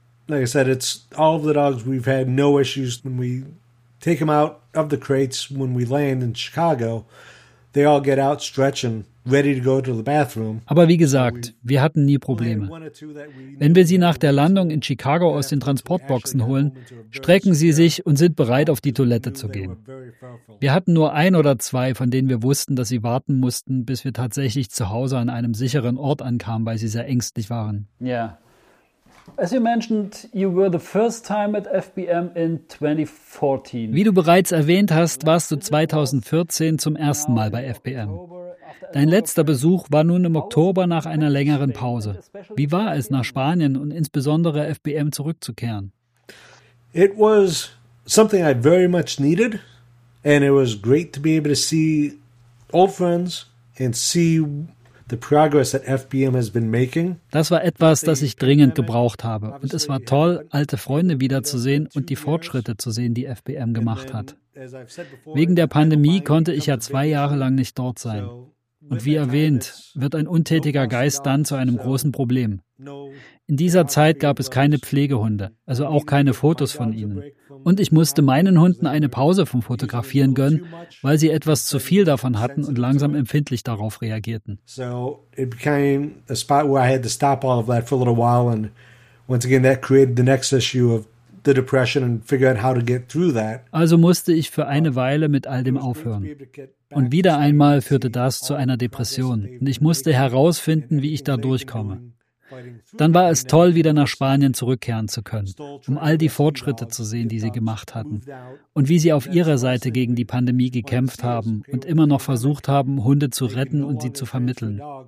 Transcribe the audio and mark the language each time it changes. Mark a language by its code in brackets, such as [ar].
[en] Like I said, it's all of the dogs, we've had no issues when we take them out of the crates when we land in Chicago. They all get out, stretch and ready to go to the bathroom. [de] Aber wie gesagt, wir hatten nie Probleme. Wenn wir sie nach der Landung in Chicago aus den Transportboxen holen, strecken sie sich und sind bereit, auf die Toilette zu gehen. Wir hatten nur ein oder zwei, von denen wir wussten, dass sie warten mussten, bis wir tatsächlich zu Hause an einem sicheren Ort ankamen, weil sie sehr ängstlich waren. Ja. Yeah. [en] As you mentioned, you were the first time at FBM in 2014. [de] Wie du bereits erwähnt hast, warst du 2014 zum ersten Mal bei FBM. Dein letzter Besuch war nun im Oktober nach einer längeren Pause. Wie war es, nach Spanien und insbesondere FBM zurückzukehren? [en] It was something I very much needed, and it was great to be able to see old friends and see the progress that FBM has been making. [de] Das war etwas, das ich dringend gebraucht habe. Und es war toll, alte Freunde wiederzusehen und die Fortschritte zu sehen, die FBM gemacht hat. Wegen der Pandemie konnte ich ja 2 Jahre lang nicht dort sein. Und wie erwähnt, wird ein untätiger Geist dann zu einem großen Problem. In dieser Zeit gab es keine Pflegehunde, also auch keine Fotos von ihnen. Und ich musste meinen Hunden eine Pause vom Fotografieren gönnen, weil sie etwas zu viel davon hatten und langsam empfindlich darauf reagierten. [en] So it became a spot where I had to stop all of that for a little while and once again, that created the next issue of the depression and figure out how to get through that. [de] Also musste ich für eine Weile mit all dem aufhören. Und wieder einmal führte das zu einer Depression. Und ich musste herausfinden, wie ich da durchkomme. Dann war es toll, wieder nach Spanien zurückkehren zu können, um all die Fortschritte zu sehen, die sie gemacht hatten und wie sie auf ihrer Seite gegen die Pandemie gekämpft haben und immer noch versucht haben, Hunde zu retten und sie zu vermitteln.